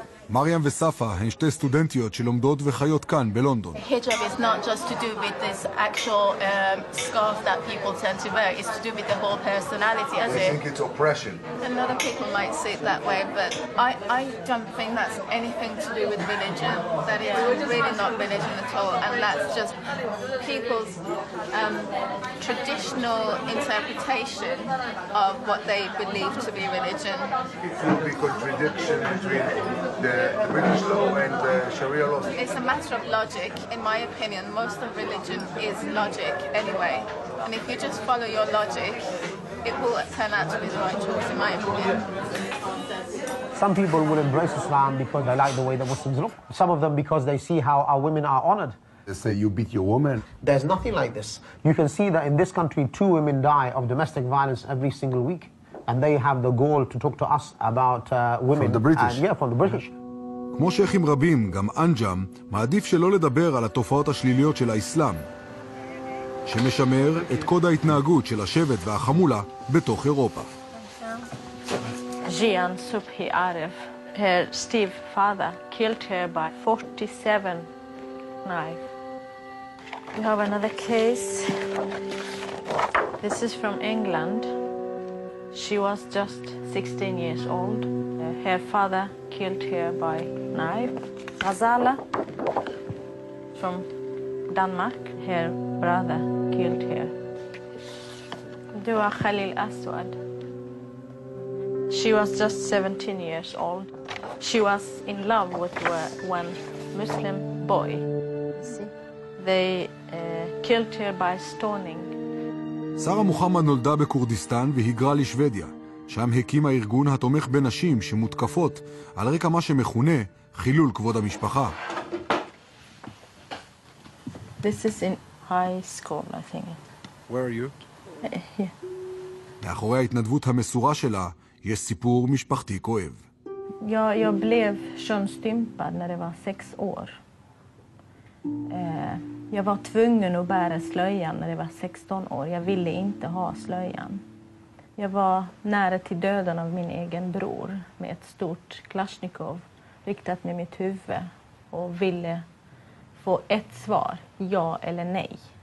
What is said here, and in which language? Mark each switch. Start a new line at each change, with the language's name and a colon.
Hebrew: מריאם וספה הן שתי סטודנטיות שלומדות וחיות כאן בלונדון.
English: Hijab is not just to do with this actual scarf that people tend to wear, it's to do with the whole personality, isn't it? I think it's oppression. A lot of people might see it that way, but I don't think that's anything to do with religion. That is really not religion at all, and that's just people's traditional interpretation of what they believe to be religion. It will be contradiction between the British law and the Sharia law. It's a matter of logic. In my opinion, most of religion is logic anyway. And if you just follow your logic, it will turn out to be the right choice, in my opinion. Some people will embrace Islam because they like the way the Muslims look. Some of them because they see how our women are honored. They say you beat your woman. There's nothing like this. You can see that in this country, two women die of domestic violence every single week. And they have the goal to talk to us about women. From the British? Yeah, from the British.
Hebrew: כמו שייכים רבים, גם אנג'אם מעדיף שלא לדבר על התופעות השליליות של האסלאם, שמשמר את קוד ההתנהגות של השבט והחמולה בתוך אירופה.
English: ג'יאן סובחי ערף, her Steve father, killed her by 47 knife. We have another case. This is from England. She was just 16 years old. Her father killed her by knife. Azala from Denmark. Her brother killed her. Dua Khalil Aswad. She was just 17 years old. She was in love with one Muslim boy. They killed her by stoning.
Hebrew: שרה מוחמד נולדה בקורדיסטן והיגרה לשוודיה, שם הקימה ארגון התומך בנשים שמותקפות על רקע מה שמכונה חילול כבוד המשפחה.
English: This is in high school, I think. Where are you? Yeah.
Hebrew: מאחורי ההתנדבות המסורה שלה יש סיפור משפחתי כואב.
Swedish: Jag blev schon stympad när det var 6 år. Jag var tvungen att bära slöjan när jag var 16 år. Jag ville inte ha slöjan. Jag var nära till döden av min egen bror med ett stort klasjnikov riktat med mitt huvud och ville få ett svar, ja eller nej.